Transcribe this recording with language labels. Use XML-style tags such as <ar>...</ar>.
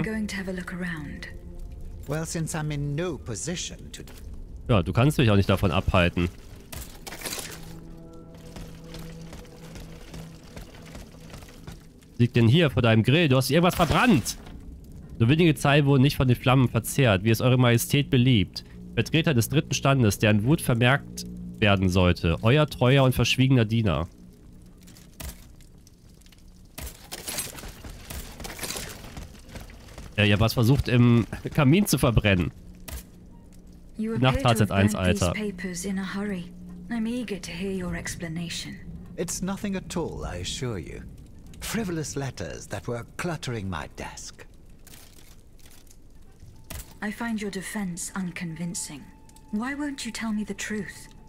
<en>I'm going to have a look around. Well, since I'm in no position to...</en> <de>Ja, du kannst mich auch nicht davon abhalten. Was liegt denn hier vor deinem Grill? Du hast irgendwas verbrannt! Nur wenige Zeilen wurden nicht von den Flammen verzehrt, wie es eure Majestät beliebt. Vertreter des dritten Standes, deren Wut vermerkt werden sollte. Euer treuer und verschwiegener Diener. Ihr habt was versucht, im Kamin zu verbrennen. Nachtzeit 1, Alter.</de> <en>In a hurry. I'm eager to hear your explanation. It's nothing at all, I assure you. Frivolous letters that were cluttering my desk. I find your defense unconvincing. Why won't you tell me the truth?</en>